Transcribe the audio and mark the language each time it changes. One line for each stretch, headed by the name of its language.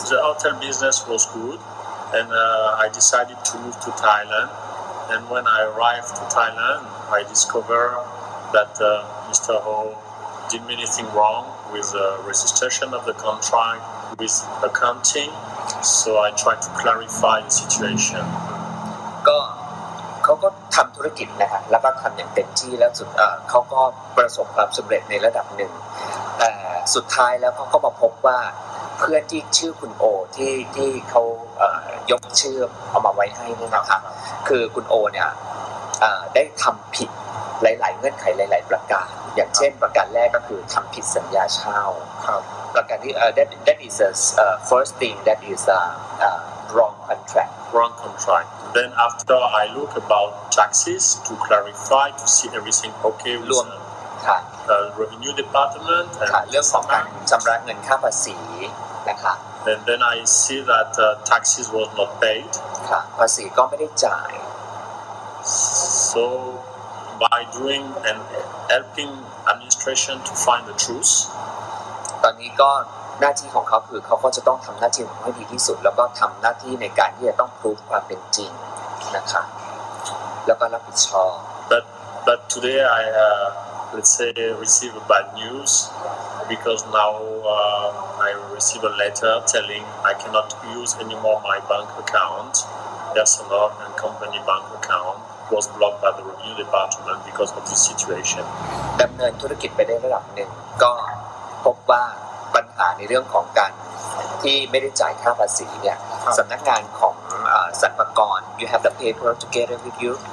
English: the hotel business was good and I decided to move to Thailand and when I arrived to ThailandI discovered that Mr. Ho did anything wrong with the registration of the contract with accounting, so I tried to clarify the situation.
Thai: ก็เขาก็ทำธุรกิจนะฮะแล้วก็ทำอย่างเต็มที่แล้วสุดเขาก็ประสบความสำเร็จในระดับหนึ่งแต่สุดท้ายแล้วเขาก็มาพบว่าเพื่อนที่ชื่อคุณโอที่เขายกชื่อเอามาไว้ให้นี่นะครับคือคุณโอเนี่ยได้ทำผิดหลายๆเงื่อนไขหลายๆประการอย่างเช่นประการแรกก็คือทำผิดสัญญาเช่าประการที่
English: that is first thing that is wrong contract then after I look about taxes to clarify to see everything okay
Thai: รวมค่ะ
English: revenue department
Thai: ค่ะเรื่องของการชำระเงินค่าภาษีนะคะ
English: and then I see that taxes was not paid
Thai: ค่ะภาษีก็ไม่ได้จ่าย
English: So, by doing and helping administration to find the truth.
Thai: ตอนนี้ก็หน้าที่ของเขาคือเขาก็จะต้องทำหน้าที่ของเขาให้ดีที่สุดแล้วก็ทำหน้าที่ในการที่จะต้องพูดความเป็นจริงนะคะแล้วก็รับผิดชอบ
English: But today I let's say receive bad news because now I receive a letter telling I cannot use anymore my bank account. Personal and company bank account was blocked by the revenue department because of this situation.
Thai: ดำเนินธุรกิจไปได้ระดับหนึ่งก็พบว่าปัญหาในเรื่องของการที่ไม่ได้จ่ายค่าภาษีเนี่ยสำนักงานของสรรพากร
English: you have the paper to get it with you